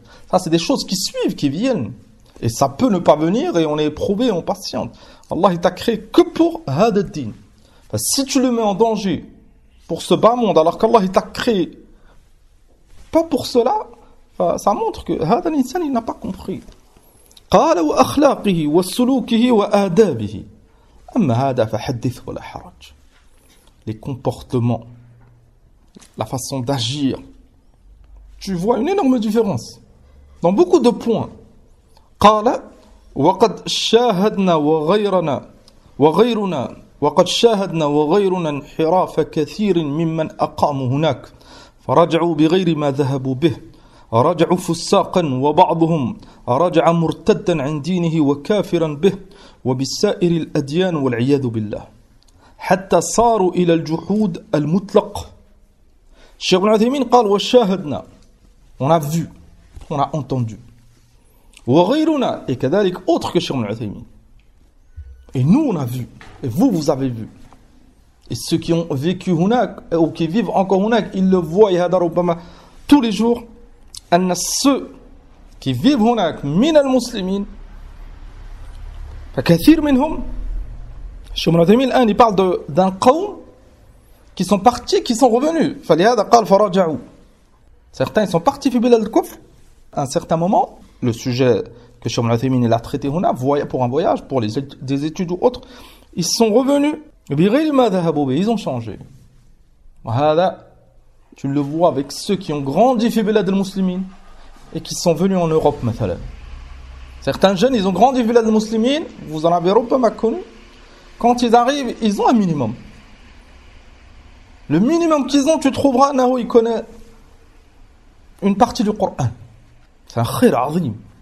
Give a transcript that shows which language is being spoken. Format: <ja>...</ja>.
<fr>Ça, c'est des choses qui suivent, qui viennent. Et ça peut ne pas venir et on est éprouvé, on patiente. Allah il t'a créé que pour Hadad Din. Si tu le mets en danger pour ce bas monde, alors qu'Allah il t'a créé pas pour cela, enfin, ça montre que Hadan Insan il n'a pas compris.</fr> <ar>قال وأخلاقه وسلوكه وآدابه أما هذا فحدث ولا حرج.</ar> <fr>Les comportements, la façon d'agir, tu vois une énorme différence dans beaucoup de points.</fr> <ar>قال وقد شاهدنا وغيرنا وغيرنا وقد شاهدنا وغيرنا انحراف كثير ممن أقاموا هناك فرجعوا بغير ما ذهبوا به رجع فساقا وبعضهم رجع مرتدا عن دينه وكافرا به وبسائر الأديان والعياذ بالله حتى صاروا إلى الجحود المطلق.</ar> <fr>الشيخ ابن عثيمين</fr> <ar>قال وشاهدنا,</ar> <fr>on a vu, on a entendu, وغيرنا, et كذلك autre que الشيخ ابن عثيمين, et nous on a vu, et vous avez vu. Et ceux qui ont vécu هناك ou qui vivent encore هناك, ils le voient هذا ربما tous les jours.</fr> <ar>أن</ar> <fr>ceux qui vivent</fr> <ar>هناك من المسلمين فكثير منهم, الشيخ ابن عثيمين الآن يبارل d'un قوم</ar> <fr>qui sont partis, qui sont revenus.</fr> <ar>فلهذا قال فرجعوا.</ar> <fr>Certains sont partis</fr> <ar>في بلاد الكفر.</ar> <fr>À un certain moment, le sujet que الشيخ ابن عثيمين il a traité هنا pour un voyage, pour les des études ou autres, ils sont revenus.</fr> <ar>بغير ما ذهبوا به,</ar> <fr>ils ont changé. وهذا, tu le vois avec ceux qui ont grandi</fr> <ar>fi bilad al-muslimin</ar> <fr>et qui sont venus en Europe, mathalan. Certains jeunes, ils ont grandi</fr> <ar>fi bilad al-muslimin,</ar> <fr>vous en avez pas connu. Quand ils arrivent, ils ont un minimum. Le minimum qu'ils ont, tu trouveras, nahou, il connaît une partie du Coran. C'est un khir azim.</fr>